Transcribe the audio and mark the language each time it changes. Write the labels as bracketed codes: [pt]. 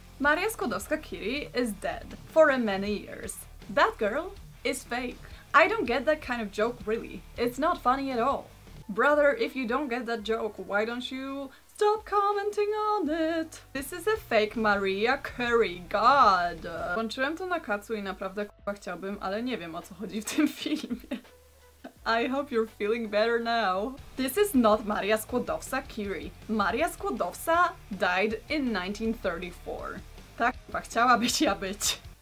[en] Maria Skłodowska-Curie is dead for many years. That girl is fake. I don't get that kind of joke, really. It's not funny at all. Brother, if you don't get that joke, why don't you stop commenting on it? This is a fake Maria Curie, God. [pl] Włączyłem to na kacu I naprawdę k***a chciałbym, ale nie wiem o co chodzi w tym filmie. [en] I hope you're feeling better now. This is not Maria Skłodowska-Curie. Maria Skłodowska died in 1934. [pl] Tak k***a chciałabyś ja być.